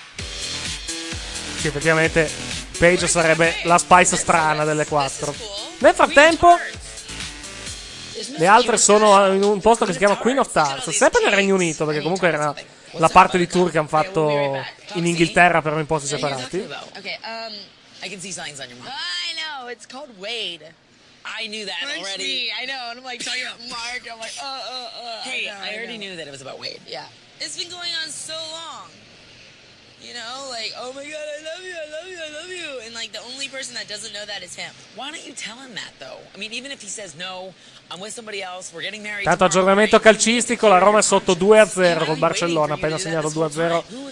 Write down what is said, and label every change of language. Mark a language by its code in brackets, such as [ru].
[it] Sì, effettivamente Paige sarebbe la Spice strana delle quattro. Nel frattempo, le altre sono in un posto che si chiama Queen of Tarts. Sempre nel Regno Unito, perché comunque era la parte di tour che hanno fatto in Inghilterra, però in posti separati. [en] Ok, I can see signs on your mind. I know, it's called Wade. I knew that already. I know, and I'm like talking about Mark. I'm like, Hey, I already knew that it was about Wade. Yeah. It's been going on so long. You know, like, oh my god, I love you, I love you, I love you. And like, the only person that doesn't know that is him. Why don't you tell him that, though? I mean, even if he says no, I'm with somebody else, we're getting married. [it] Tanto aggiornamento calcistico, la Roma è sotto 2-0 col Barcellona, appena segnato 2-0.